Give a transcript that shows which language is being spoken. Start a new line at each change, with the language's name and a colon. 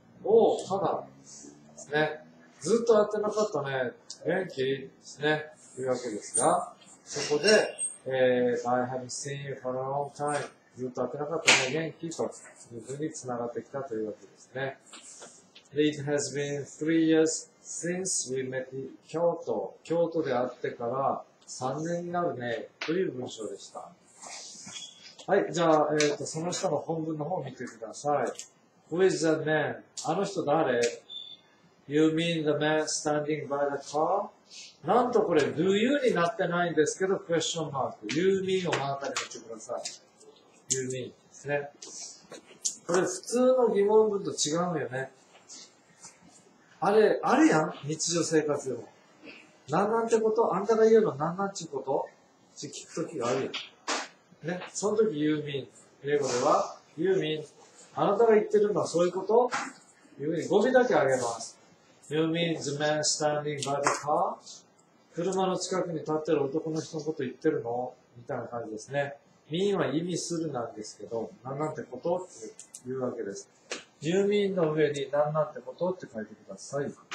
Japanese: おー、Kanaですね。ずっと会ってなかったね。元気ですね。というわけですが、そこで、
English: I have seen you for a long time.
Japanese: ずっと会ってなかったね。元気と、スムーに繋がってきたというわけですね。
English: It has been 3 years since we met in
Japanese: 京都。京都で会ってから3年になるね。という文章でした。はい。じゃあ、その下の本文の方を見てください。
English: Who is that man?
Japanese: あの人誰？
English: You mean the man standing by the car?
Japanese: なんとこれ、
English: do you
Japanese: になってないんですけど、クエスチョンマーク。
English: you mean
Japanese: をマーカーに打ってください。you mean ですね。これ普通の疑問文と違うよね。あれやん日常生活でも。なんなんてことあんたが言うのなんなんちことって聞くときがあるよ。ね。そのとき
English: you mean。
Japanese: 英語では、you mean。あなたが言ってるのはそういうこと
English: you mean。
Japanese: 語尾だけあげます。
English: You mean the man standing by the car?
Japanese: 車の近くに立ってる男の人のこと言ってるのみたいな感じですね。 mean は意味するなんですけど、何なんてことっていうわけです。
English: You mean
Japanese: の上に何なんてことって書いてください。